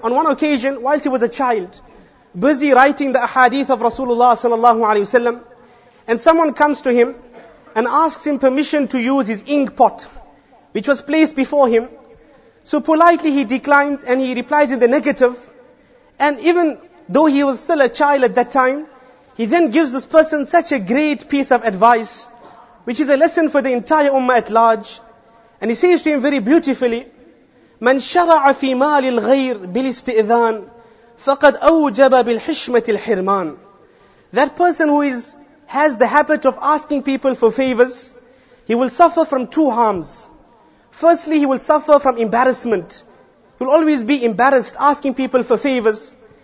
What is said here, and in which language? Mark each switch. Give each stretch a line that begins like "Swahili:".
English: On one occasion, whilst he was a child, busy writing the ahadith of Rasulullah sallallahu alayhi wasallam, and someone comes to him and asks him permission to use his ink pot, which was placed before him. So politely he declines and he replies in the negative. And even though he was still a child at that time, he then gives this person such a great piece of advice, which is a lesson for the entire ummah at large. And he says to him very beautifully,
Arabic: مَنْ شَرَعَ فِي مَالِ الْغَيْرِ بِالِاسْتِئِذَانِ فَقَدْ أَوْجَبَ بِالْحِشْمَةِ الْحِرْمَانِ.
English: That person who has the habit of asking people for favors, he will suffer from two harms. Firstly, he will suffer from embarrassment. He will always be embarrassed asking people for favors.